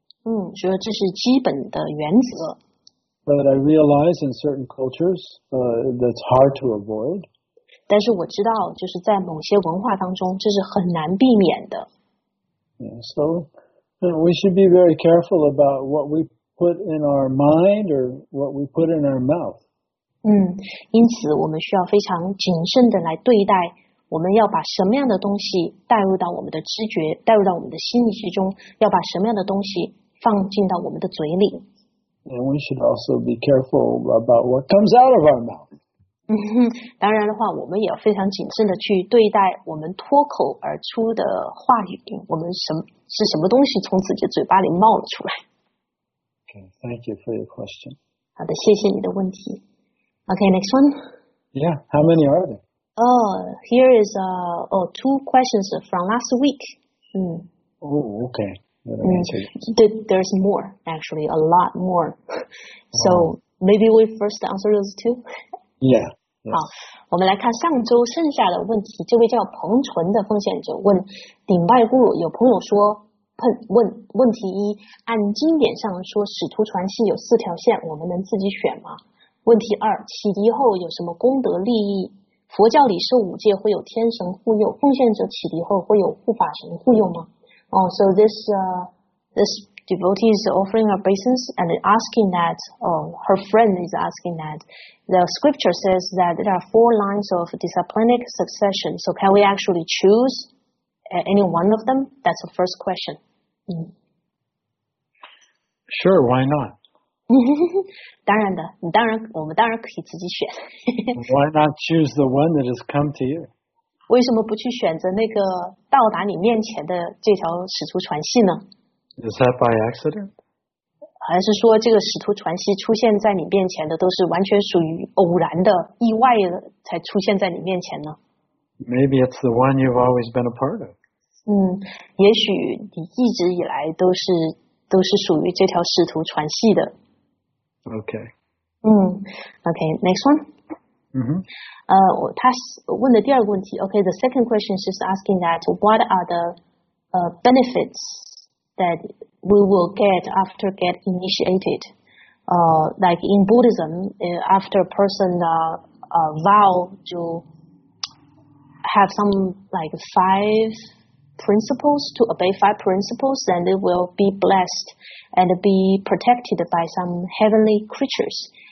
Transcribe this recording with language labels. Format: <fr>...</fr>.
<zh>嗯，所以这是基本的原则。</zh> <en>But I realize in certain cultures, that's hard to avoid。</en> <zh>但是我知道，就是在某些文化当中，这是很难避免的。</zh> <en>Yeah, so we should be very careful about what we put in our mind or what we put in our mouth.</en> <zh>嗯，因此我们需要非常谨慎的来对待，我们要把什么样的东西带入到我们的知觉，带入到我们的心理之中，要把什么样的东西放进到我们的嘴里。</zh> <en>And we should also be careful about what comes out of our mouth.</en> <zh>当然的话，我们也要非常谨慎的去对待我们脱口而出的话语，我们什么东西从自己嘴巴里冒了出来。</zh> <en>Okay, thank you for your question.</en> <zh>好的，谢谢你的问题。</zh> <en>Okay, next one. Yeah, how many are there? Oh, here is two questions from last week. Oh, okay. There's more, actually, a lot more. So maybe we first answer those two. Yeah.</en> <zh>好，我们来看上周剩下的问题。这位叫彭纯的奉献者问：顶拜古鲁有朋友说，问题一，按经典上说，使徒传信有四条线，我们能自己选吗？问题二，启迪后有什么功德利益？佛教里受五戒会有天神护佑，奉献者启迪后会有护法神护佑吗？</zh> <en>哦、so this this devotee is offering obeisance and asking that, her friend is asking that. The scripture says that there are four lines of disciplinic succession. So can we actually choose any one of them? That's the first question. Sure, why not?</en> <zh>当然的，当然，我们当然可以自己选。</zh> <en>Why not choose the one that has come to you?</en> <zh>为什么不去选择那个到达你面前的这条使徒传信呢？</zh> <en>Is that by accident?</en> <zh>还是说这个使徒传信出现在你面前的都是完全属于偶然的意外的才出现在你面前呢？</zh> <en>Maybe it's the one you've always been a part of.</en> <zh>嗯，也许你一直以来都是属于这条使徒传信的。</zh> <en>Okay. 嗯 ，Okay, next one. 嗯哼。</en> <zh>他问的第二个问题</zh> <en>，Okay, the second question is asking that what are the benefits that we will get after get initiated. Like in Buddhism, after a person vow to have some like five principles, to obey five principles, then they will be blessed and be protected by some heavenly creatures.</en>